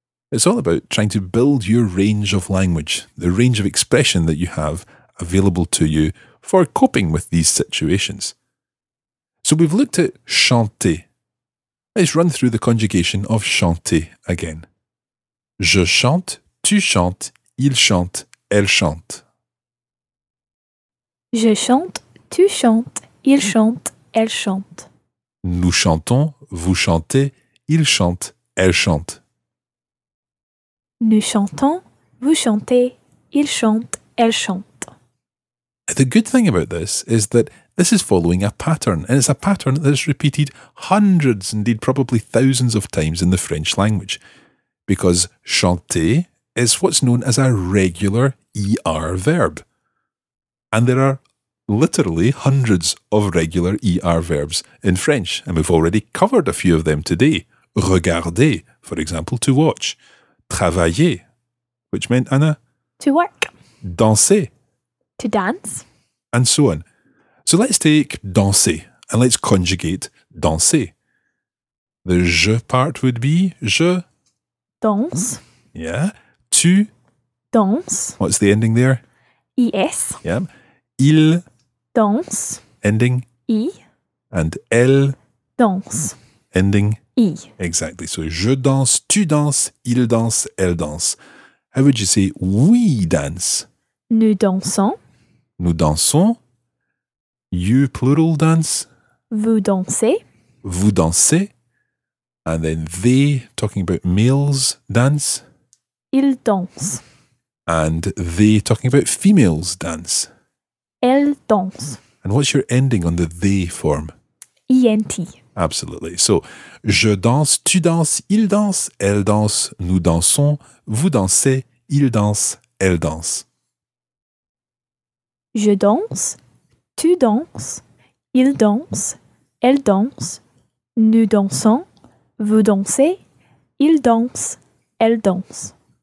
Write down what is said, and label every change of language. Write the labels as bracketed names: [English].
[English] It's all about trying to build your range of language, the range of expression that you have available to you for coping with these situations. So we've looked at chanter. Let's run through the conjugation of chanter again. [French] Je chante, tu chantes, il chante, elle chante. Je chante, tu chantes, il chante, elle chante. Nous chantons, vous chantez, il chante, elle chante. Nous chantons, vous chantez, il chante, elle chante. [English] The good thing about this is that this is following a pattern, and it's a pattern that is repeated hundreds, indeed probably thousands of times in the French language, because chanter is what's known as a regular ER verb. And there are literally hundreds of regular ER verbs in French, and we've already covered a few of them today. Regarder, for example, to watch. Travailler, which meant, Anna? To work. [French] Danser. [English] To dance. And so on. So let's take danser, and let's conjugate danser. The je part would be je. [French] Danse. [English] Yeah. Tu. [French] Danse. [English] What's the ending there? I-S. Yeah. Il. [French] Danse. [English] Ending. I. And elle. [French] Danse. [English] Ending. I. Exactly. [French] So je danse, tu danse, il danse, elle danse. [English] How would you say we dance? [French] Nous dansons. Nous dansons. [English] You plural dance. [French] Vous dansez. Vous dansez. [English] And then they, talking about males, dance. [French] Ils dansent. [English] And they, talking about females, dance. [French] Elle danse. [English] And what's your ending on the they form? ENT. Absolutely. [French] So, je danse, tu danses, il danse, elle danse, nous dansons, vous dansez, il danse, elle danse. Je danse, tu danses, il danse, elle danse, nous dansons, vous dansez, il danse, elle danse.